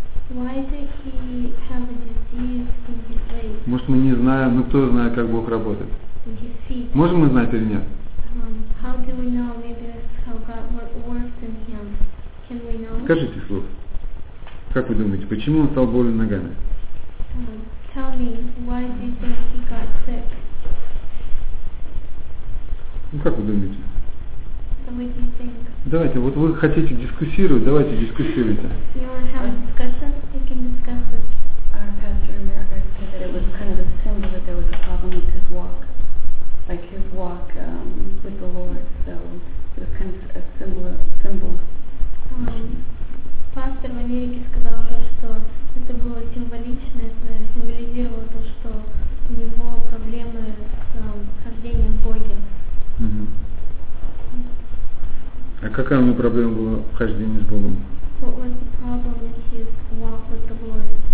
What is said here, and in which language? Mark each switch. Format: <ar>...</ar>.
<en>Why did he have a disease in his legs?</en> <ru>Может, мы не знаем, но кто знает, как Бог работает? Можем мы знать или нет?</ru> <en>How do we know? Maybe that's how God works in him. Can we know?</en> <ru>Скажите вслух. Как вы думаете, почему он стал болен ногами?</ru> <en>Tell me, why do you think he got sick?</en> <ru>Ну как вы думаете?</ru> <en>So what do you think?</en> <ru>Давайте, вот вы хотите дискуссировать, давайте дискуссируйте.</ru> <en>You want to have a discussion? You can discuss it. Our pastor in America said that it was kind of a symbol that there was a problem with his walk. Like his walk with the Lord. So it was kind of a symbol.</en> <ru>Пастор в Америке сказал то, что это было символично, это символизировало то, что у него проблемы с хождением в Боге. А какая у него проблема была в хождении с Богом?</ru> <en>What was the problem in his walk with the Lord?</en>